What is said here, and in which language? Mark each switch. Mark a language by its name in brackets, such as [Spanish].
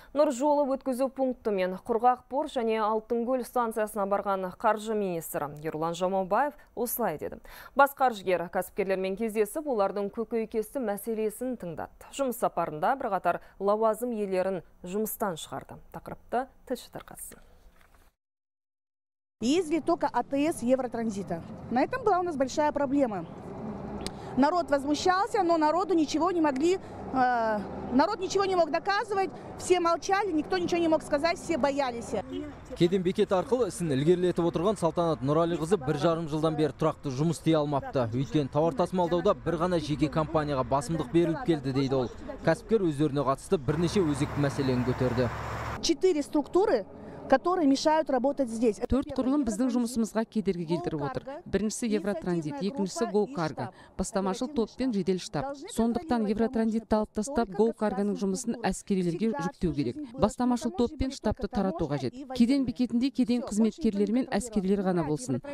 [Kazakh] Нұр жолы өткізу пункті мен құрғақ пор және Алтынгөл станциясына барған қаржы министрі Ерлан Жамаубаев осылай деді. Бас қаржыгер кәсіпкерлермен кездесіп, олардың көкейкесті мәселесін тыңдады. Жұмыс сапарында бірқатар лауазым иелерін жұмыстан шығарды. Тақырыпты тілші тарқатсын. [Russian] Если только АТС Евротранзита. На этом была у нас большая проблема. Народ возмущался, но народу ничего не могли, народ ничего не мог доказывать, все молчали, никто ничего не мог сказать, все боялись. [Kazakh] Кеден бекет арқылы ісін ілгерілетіп отырған Салтанат Нұралиқызы бір жарым жылдан бері тұрақты жұмыс істей алмапты. Өйткен тауар тасымалдауда бір ғана жеке компанияға басымдық беріліп келді, дейді ол. Кәсіпкер өздеріне қатысты бірнеше өзекті мәселені көтерді. [Russian] Четыре структуры, которые мешают работать здесь. [Kazakh] Төрт құрылым біздің жұмысымызға кедергі келтіріп отыр. Біріншісі Евротранзит, екіншісі Гоукарго, бастамашыл топ пен жедел штаб. Сондықтан Евротранзитті алып тастап, Гоукаргоның жұмысын әскерлерге жүктеу керек. Бастамашыл топ пен штабты тарату қажет. Кеден бекетінде кеден қызметкерлер мен әскерлер ғана болсын.